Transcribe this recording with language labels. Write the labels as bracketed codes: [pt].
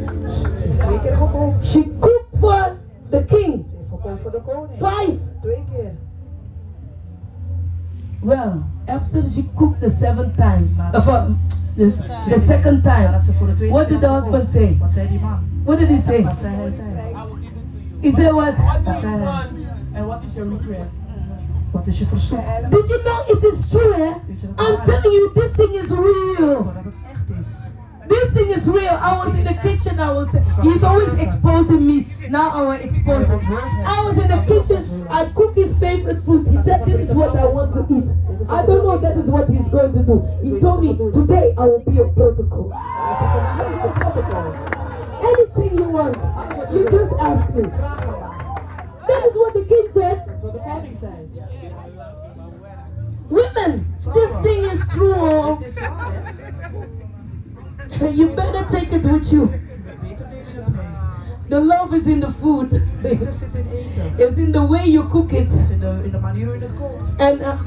[nl] Ze heeft twee keer gekookt. [en] She cooked for the king. [nl] Ze heeft gekookt voor de koning. [en] Twice. [nl] Twee keer. [en] Well, after she cooked the seventh time. The second time. What did the husband say? [nl] Wat zei die man? [en] What did he say? [nl] Wat zei hij? [en] He said what? [nl] Wat zei hij? [en] And what is your request? [nl] Wat is je verzoek? [en] Did you know it is true, eh? I'm telling you, this thing is real. This thing is real. I was in the kitchen. I was. He's always exposing me. Now I will expose him. I was in the kitchen. I cook his favorite food. He said, "This is what I want to eat." I don't know. That is what he's going to do. He told me today I will be a protocol. Anything you want, you just ask me. That is what the king said. That's what the king said. Women, this thing is true. You better take it with you. The love is in the food. It's in the way you cook it. It's in the [nl] manier hoe je het kookt.